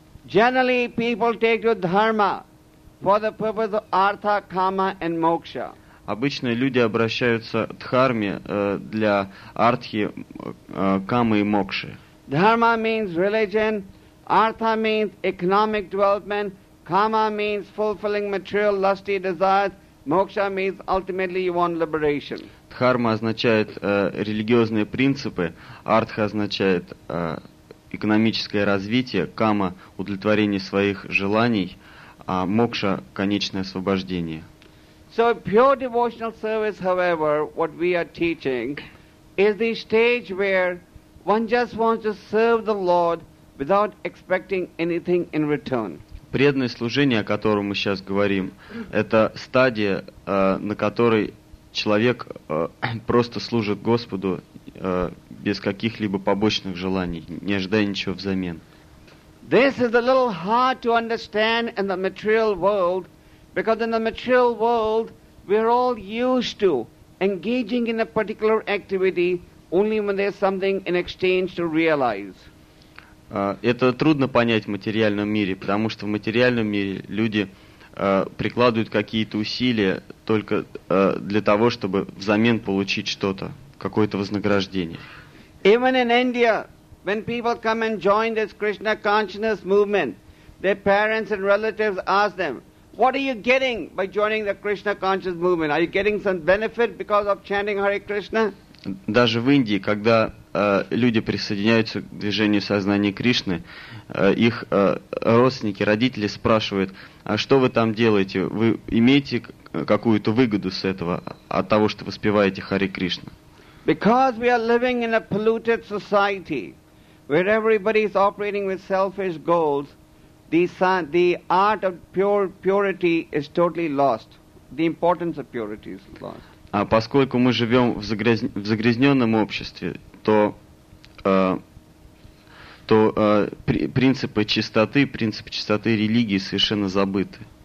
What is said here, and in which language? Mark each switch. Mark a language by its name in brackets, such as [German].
[English] Generally, people take to dharma for the purpose of artha, kama and moksha. [Russian] Обычно люди обращаются к дхарме для артхи, камы и мокши. [English] Dharma means religion, artha means economic development, kama means fulfilling material lusty desires. Moksha means ultimately you want liberation. [Russian] Дхарма означает религиозные принципы, артха означает экономическое развитие, кама – удовлетворение своих желаний, а мокша – конечное освобождение. [English] So pure devotional service, however, what we are teaching, is the stage where one just wants to serve the Lord without expecting anything in return. [Russian] Преданное служение, о котором мы сейчас говорим, это стадия, на которой человек просто служит Господу без каких-либо побочных желаний, не ожидая ничего взамен. [English] This is a little hard to understand in the material world, because in the material world we are all used to engaging in a particular activity only when there's something in exchange to realize. [Russian] Это трудно понять в материальном мире, потому что в материальном мире люди прикладывают какие-то усилия только для того, чтобы взамен получить что-то, какое-то вознаграждение. [English] Even in India, when people come and join this Krishna consciousness movement, their parents and relatives ask them, what are you getting by joining the Krishna conscious movement? Are you getting some benefit because of chanting Hare Krishna? [Russian] Даже в Индии, когда люди присоединяются к движению сознания Кришны, их родственники, родители спрашивают, а что вы там делаете? Вы имеете какую-то выгоду с этого, от того, что вы воспеваете Харе Кришна? [English] Because we are living in a polluted society, where everybody is operating with selfish goals, the art of purity is totally lost. The importance of purity is lost. [Russian] А поскольку мы живем в загрязненном обществе, принципы чистоты религии совершенно забыты.